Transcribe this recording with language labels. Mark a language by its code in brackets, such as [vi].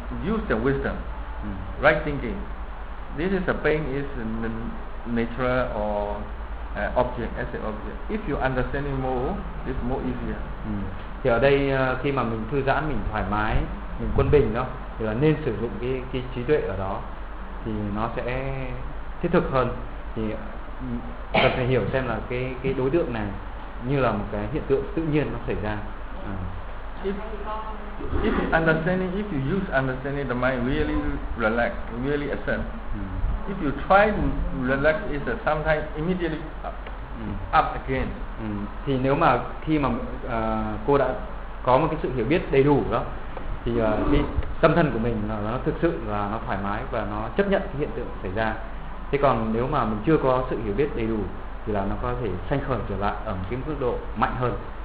[en] Use the wisdom, right thinking. This is a pain is in the nature or object as an object. If you understand it more, it's more easier. [vi] Thì ở đây khi mà mình thư giãn, mình thoải mái, mình quân bình đó, thì là nên sử dụng cái trí tuệ ở đó thì nó sẽ thiết thực hơn. Thì cần phải hiểu xem là cái đối tượng này như là một cái hiện tượng tự nhiên nó xảy ra. [en] If understanding, if you use understanding, the mind really relax, really accept. If you try to relax, it's sometimes immediately up again. [vi] Thì nếu mà khi mà cô đã có một cái sự hiểu biết đầy đủ đó, thì cái tâm thân của mình nó thực sự là nó thoải mái và nó chấp nhận cái hiện tượng xảy ra. Thế còn nếu mà mình chưa có sự hiểu biết đầy đủ thì là nó có thể sanh khởi trở lại ở một cái mức độ mạnh hơn.